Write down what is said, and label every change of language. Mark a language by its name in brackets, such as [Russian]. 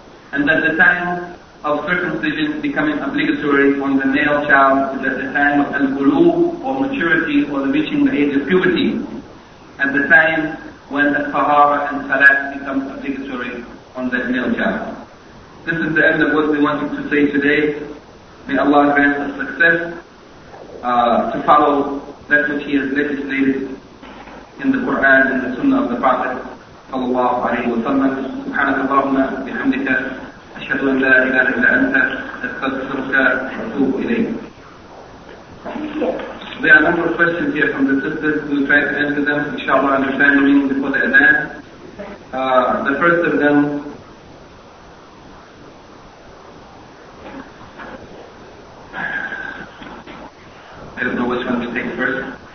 [English] And that the time of circumcision becoming obligatory on the male child is at the time of al-bulugh, or maturity, or the reaching the age of puberty, at the time when the taharah and salat become obligatory on that male child. This is the end of what we wanted to say today. May Allah grant us success to follow that which He has legislated in the Quran and the Sunnah of the Prophet sallallahu alayhi wa sallam. [Arabic] Subhanaka Allahumma bihamdika. أشهد أن لا إله إلا أنت أستغفرك وأتوب إليك. [English] There are a number of questions here from the sisters. We'll try to answer them, inshallah, understanding before the adhan. The first of them, I don't know which one to take first.